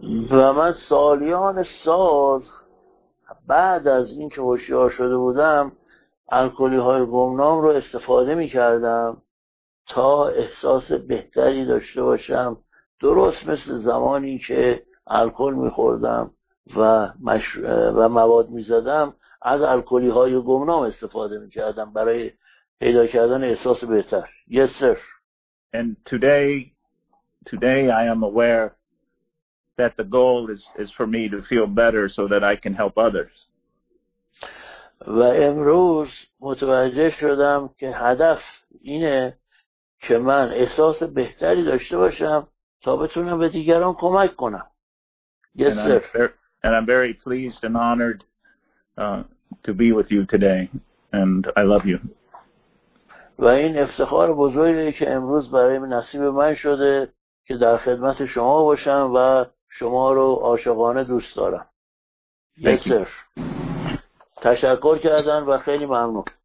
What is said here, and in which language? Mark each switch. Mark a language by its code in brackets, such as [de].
[fa] و من سالیان سال بعد از اینکه هوشیار شده بودم الکلی های گمنام رو استفاده می کردم تا احساس بهتری داشته باشم، درست مثل زمانی که الکل می خوردم و مواد می زدم از الکلی های گمنام استفاده می کردم برای پیدا کردن احساس بهتر. [en] Yes, sir. And today I am aware that the goal is for me to feel better so that I can help others. [fa] و امروز متوجه شدم که هدف اینه که من احساس بهتری داشته باشم تا بتونم به دیگران کمک کنم. [en] Yes, sir. And I'm very pleased and honored to be with you today and I love you. [fa] و این افتخار بزرگی که امروز برای نصیب من شده که در خدمت شما باشم و شما رو عاشقانه دوست دارم. [en] Yes, sir. [fa] تشکر کردن و خیلی ممنون.